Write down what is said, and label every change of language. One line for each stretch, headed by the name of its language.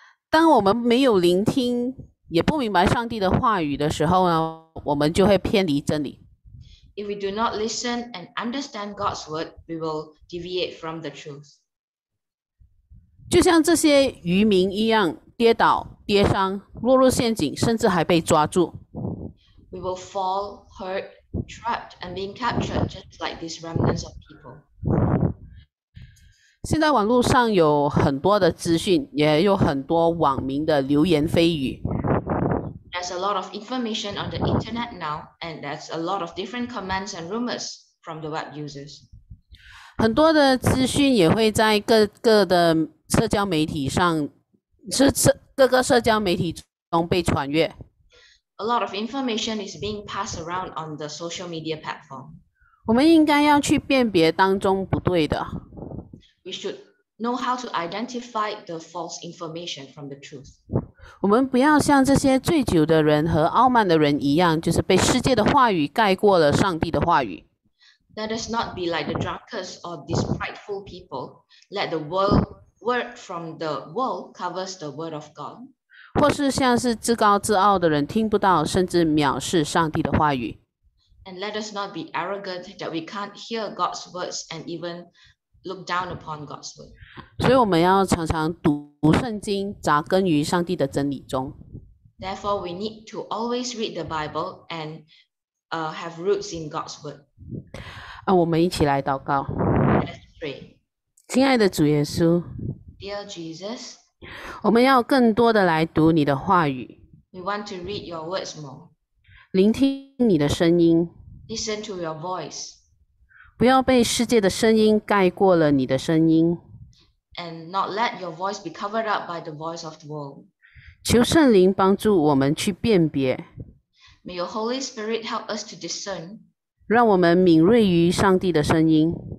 Chinese: 当我们没有聆听，也不明白上帝的话语的时候呢，我们就会偏离真理。
English: If we do not listen and understand God's word, we will deviate from the truth.
Chinese: 就像这些渔民一样，跌倒、跌伤、落入陷阱，甚至还被抓住。
English: We will fall, hurt, trapped, and being captured just like these remnants of people.
Chinese: 现在网络上有很多的资讯，也有很多网民的流言蜚语。
English: There's a lot of information on the internet now, and there's a lot of different comments and rumors from the web users.
Chinese: 很多的资讯也会在各的社交媒体上，各个社交媒体中被传阅。
English: A lot of information is being passed around on the social media platform.
Chinese: 我们应该要去辨别当中不对的。
English: We should know how to identify the false information from the truth.
Chinese: 我们不要像这些醉酒的人和傲慢的人一样，就是被世界的话语盖过了上帝的话语。
English: Let us not be like the drunkards or these prideful people. Let the word from the world covers the word of God.
Chinese: 或是像是自高自傲的人听不到甚至藐视上帝的话语。
English: And let us not be arrogant that we can't hear God's words and even look down upon God's word.
Chinese: 所以我们要常常读圣经，扎根于上帝的真理中。
English: Therefore, we need to always read the Bible and have roots in God's word.
Chinese: 我们一起来祷告。
English: Let's pray.
Chinese: 亲爱的主耶稣。
English: Dear Jesus.
Chinese: 我们要更多的来读你的话语。
English: We want to read your words more.
Chinese: 聆听你的声音。
English: Listen to your voice.
Chinese: 不要被世界的声音盖过了你的声音。
English: And not let your voice be covered up by the voice of the world.
Chinese: 求圣灵帮助我们去辨别。
English: May your Holy Spirit help us to discern.
Chinese: 让我们敏锐于上帝的声音。